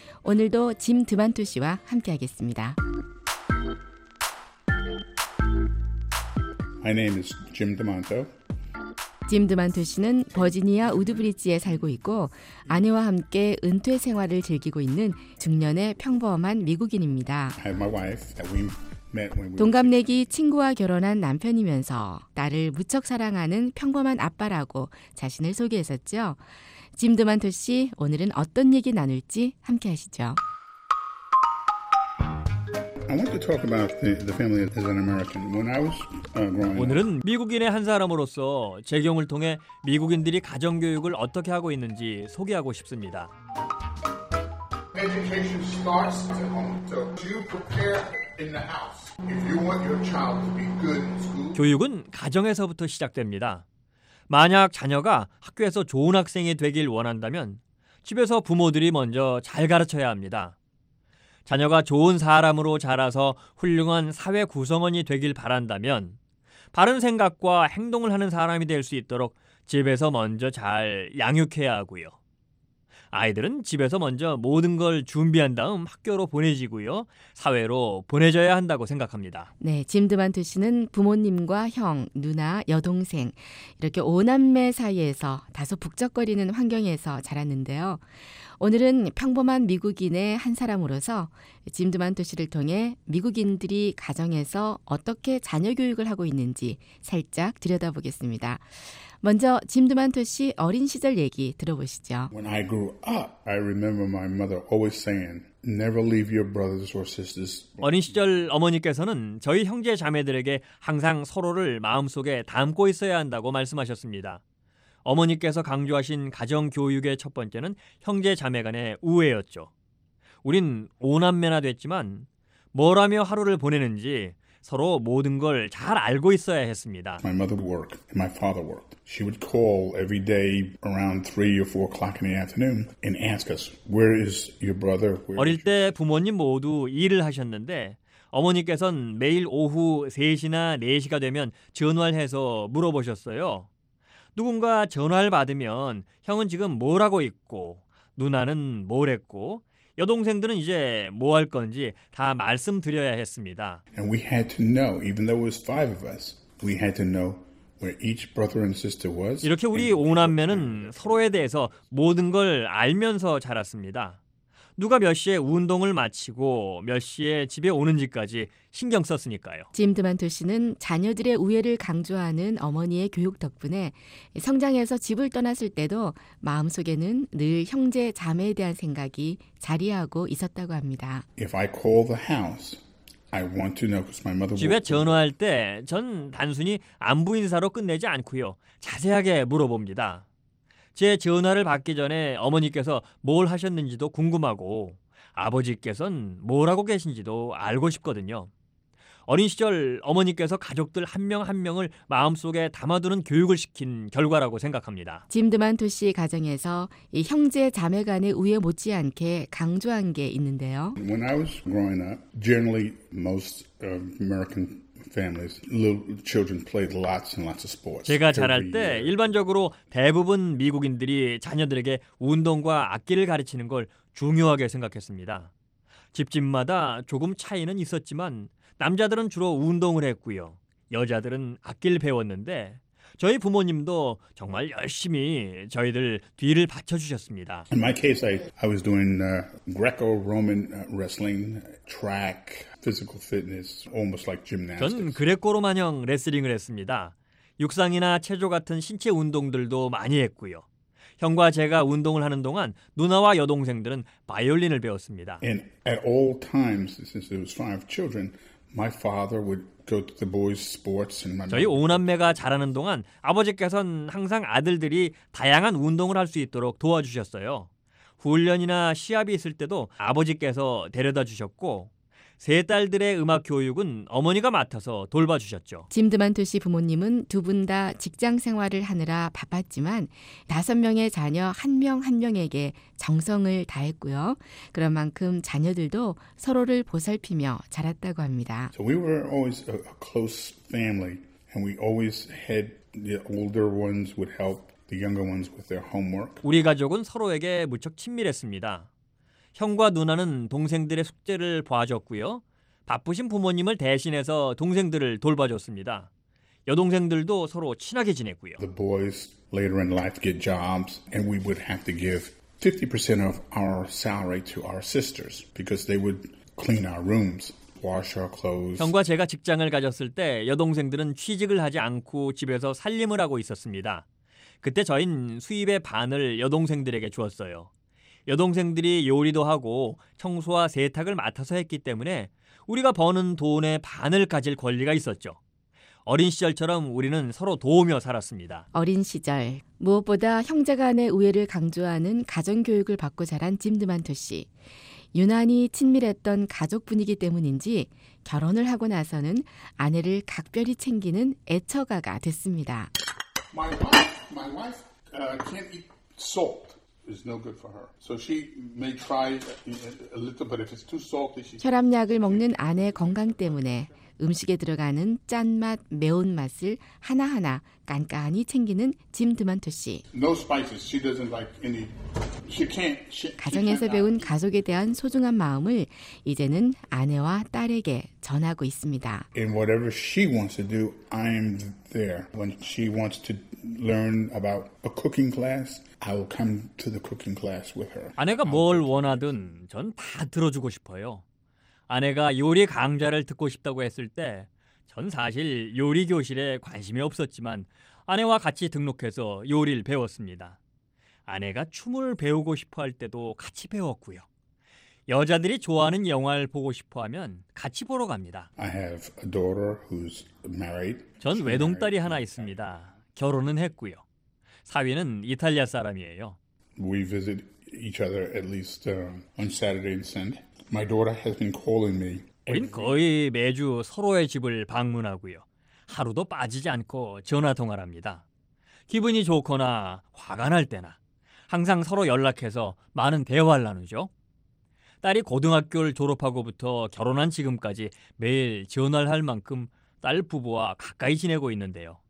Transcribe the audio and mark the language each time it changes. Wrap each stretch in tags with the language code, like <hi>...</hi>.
<ko>오늘도 짐 드만투 씨와 함께하겠습니다.</ko> <en>My name is Jim DeMonto.</en> <ko>짐 드만투 씨는 버지니아 우드브리지에 살고 있고 아내와 함께 은퇴 생활을 즐기고 있는 중년의 평범한 미국인입니다.</ko> <en>I have my wife that we met when we</en> <ko>동갑내기 친구와 결혼한 남편이면서 딸을 무척 사랑하는 평범한 아빠라고 자신을 소개했었죠. 짐 드만투 씨, 오늘은 어떤 얘기 나눌지 함께 하시죠.</ko> <en>I want to talk about the family as an American. When I was growing up,</en> <ko>오늘은 미국인의 한 사람으로서 제 경험을 통해 미국인들이 가정 교육을 어떻게 하고 있는지 소개하고 싶습니다.</ko> <en>Education starts at home. So you prepare in the house if you want your child to be good in school.</en> <ko>교육은 가정에서부터 시작됩니다. 만약 자녀가 학교에서 좋은 학생이 되길 원한다면 집에서 부모들이 먼저 잘 가르쳐야 합니다. 자녀가 좋은 사람으로 자라서 훌륭한 사회 구성원이 되길 바란다면 바른 생각과 행동을 하는 사람이 될 수 있도록 집에서 먼저 잘 양육해야 하고요. 아이들은 집에서 먼저 모든 걸 준비한 다음 학교로 보내지고요. 사회로 보내져야 한다고 생각합니다. 네, 짐 드만투 씨는 부모님과 형, 누나, 여동생 이렇게 5남매 사이에서 다소 북적거리는 환경에서 자랐는데요. 오늘은 평범한 미국인의 한 사람으로서 짐 드만투 씨를 통해 미국인들이 가정에서 어떻게 자녀 교육을 하고 있는지 살짝 들여다보겠습니다. 먼저 짐 드만투 씨 어린 시절 얘기 들어보시죠.</ko> <en>When I grew up, I remember my mother always saying, "Never leave your brothers or sisters."</en> <ko>어린 시절 어머니께서는 저희 형제 자매들에게 항상 서로를 마음속에 담고 있어야 한다고 말씀하셨습니다. 어머니께서 강조하신 가정 교육의 첫 번째는 형제 자매 간의 우애였죠. 우린 5남매나 됐지만 뭘 하며 하루를 보내는지 서로 모든 걸 잘 알고 있어야 했습니다.</ko> <en>My mother worked, my father worked. She would call every day around 3 or 4 o'clock in the afternoon and ask us, "Where is your brother?"</en> <ko>어릴 때 부모님 모두 일을 하셨는데 어머니께서는 매일 오후 3시나 4시가 되면 전화를 해서 물어보셨어요. 누군가 전화를 받으면 형은 지금 뭘 하고 있고 누나는 뭘 했고 여동생들은 이제 뭐 할 건지 다 말씀드려야 했습니다.</ko> <en>And we had to know, even though it was five of us, we had to know where each brother and sister was.</en> <ko>이렇게 우리 5남매는 서로에 대해서 모든 걸 알면서 자랐습니다. 누가 몇 시에 운동을 마치고 몇 시에 집에 오는지까지 신경 썼으니까요. 짐 드만투 씨는 자녀들의 우애를 강조하는 어머니의 교육 덕분에 성장해서 집을 떠났을 때도 마음속에는 늘 형제 자매에 대한 생각이 자리하고 있었다고 합니다.</ko> <en>If I call the house, I want to know because my mother.</en> <ko>집에 전화할 때 전 단순히 안부 인사로 끝내지 않고요. 자세하게 물어봅니다. 제 전화를 받기 전에 어머니께서 뭘 하셨는지도 궁금하고 아버지께서는 뭘 하고 계신지도 알고 싶거든요. 어린 시절 어머니께서 가족들 한 명 한 명을 마음속에 담아두는 교육을 시킨 결과라고 생각합니다. 짐 드만투 씨의 가정에서 이 형제 자매 간의 우애 못지않게 강조한 게 있는데요.</ko> <en>When I was growing up, generally most American families, little children played lots and lots of sports.</en> <ko>제가 자랄 때 일반적으로 대부분 미국인들이 자녀들에게 운동과 악기를 가르치는 걸 중요하게 생각했습니다. 집집마다 조금 차이는 있었지만 남자들은 주로 운동을 했고요. 여자들은 악기를 배웠는데 저희 부모님도 정말 열심히 저희들 뒤를 받쳐주셨습니다.</ko> <en>In my case, I was doing Greco-Roman wrestling, track, physical fitness, almost like gymnastics.</en> <ko>전 그레코로마형 레슬링을 했습니다. 육상이나 체조 같은 신체 운동들도 많이 했고요. 형과 제가 운동을 하는 동안 누나와 여동생들은 바이올린을 배웠습니다.</ko> <en>And at all times, since there was five children, My father would go to the boys' sports and my</en> <ko>저희 5남매가 자라는 동안 아버지께서는 항상 아들들이 다양한 운동을 할 수 있도록 도와주셨어요. 훈련이나 시합이 있을 때도 아버지께서 데려다 주셨고 세 딸들의 음악 교육은 어머니가 맡아서 돌봐주셨죠. 짐 드만토 씨 부모님은 두 분 다 직장 생활을 하느라 바빴지만 다섯 명의 자녀 한 명 한 명에게 정성을 다했고요. 그런 만큼 자녀들도 서로를 보살피며 자랐다고 합니다.</ko> <en>So we were always a close family and we always had the older ones would help the younger ones with their homework.</en> <ko>우리 가족은 서로에게 무척 친밀했습니다. 형과 누나는 동생들의 숙제를 봐줬고요. 바쁘신 부모님을 대신해서 동생들을 돌봐줬습니다. 여동생들도 서로 친하게 지냈고요.</ko> <en>The boys later in life get jobs and we would have to give 50% of our salary to our sisters because they would clean our rooms, wash our clothes.</en> <ko>형과 제가 직장을 가졌을 때 여동생들은 취직을 하지 않고 집에서 살림을 하고 있었습니다. 그때 저희는 수입의 반을 여동생들에게 주었어요. 여동생들이 요리도 하고 청소와 세탁을 맡아서 했기 때문에 우리가 버는 돈의 반을 가질 권리가 있었죠. 어린 시절처럼 우리는 서로 도우며 살았습니다. 어린 시절, 무엇보다 형제 간의 우애를 강조하는 가정교육을 받고 자란 짐 드만토 씨. 유난히 친밀했던 가족 분위기 때문인지 결혼을 하고 나서는 아내를 각별히 챙기는 애처가가 됐습니다.</ko> <en>My wife can't eat salt. is no good for her. So she may try a little but if it's too salty she</en> <ko>혈압약을 먹는 아내 건강 때문에 음식에 들어가는 짠맛, 매운맛을 하나하나 깐깐히 챙기는 짐 드만토 씨.</ko> <en>No spices. She doesn't like any. She can't. She</en> <ko>가정에서 배운 가족에 대한 소중한 마음을 이제는 아내와 딸에게 전하고 있습니다.</ko> <en>In whatever she wants to do, I'm there. When she wants to learn about a cooking class, I will come to the cooking class with her.</en> <ko>아내가 뭘 원하든 전 다 들어주고 싶어요. 아내가 요리 강좌를 듣고 싶다고 했을 때 전 사실 요리 교실에 관심이 없었지만 아내와 같이 등록해서 요리를 배웠습니다. 아내가 춤을 배우고 싶어 할 때도 같이 배웠고요. 여자들이 좋아하는 영화를 보고 싶어 하면 같이 보러 갑니다.</ko> <en>I have a daughter who's married.</en> <ko>전 외동딸이 하나 있습니다. 결혼은 했고요. 사위는 이탈리아 사람이에요.</ko> <en>We visit each other at least on Saturday and Sunday. My daughter has been calling me.</en> <ko>우린 거의 매주 서로의 집을 방문하고요. 하루도 빠지지 않고 전화 통화를 합니다. 기분이 좋거나 화가 날 때나 항상 서로 연락해서 많은 대화를 나누죠. 딸이 고등학교를 졸업하고부터 결혼한 지금까지 매일 전화를 할 만큼 딸 부부와 가까이 지내고 있는데요.</ko>